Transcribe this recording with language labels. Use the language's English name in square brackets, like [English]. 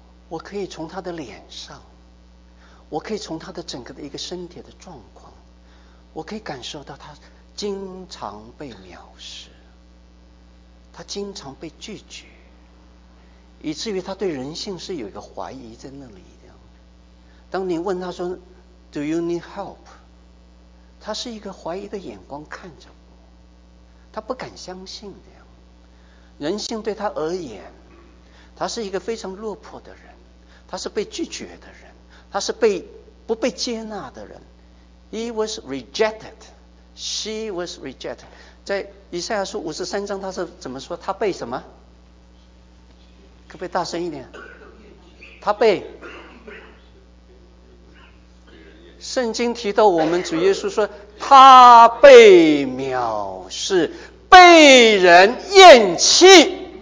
[Chinese] 我可以从他的脸上，我可以从他的整个的一个身体的状况，我可以感受到他经常被藐视，他经常被拒绝，以至于他对人性是有一个怀疑在那里的。当你问他说 [English] Do you need help? [Chinese] 他是一个怀疑的眼光看着我，他不敢相信的。人性对他而言，他是一个非常落魄的人，他是被拒绝的人，他是被不被接纳的人。 [English] He was rejected, she was rejected. [Chinese] 在以赛亚书五十三章他是怎么说，他被什么，可不可以大声一点，他被圣经提到，我们主耶稣说他被藐视，被人厌弃。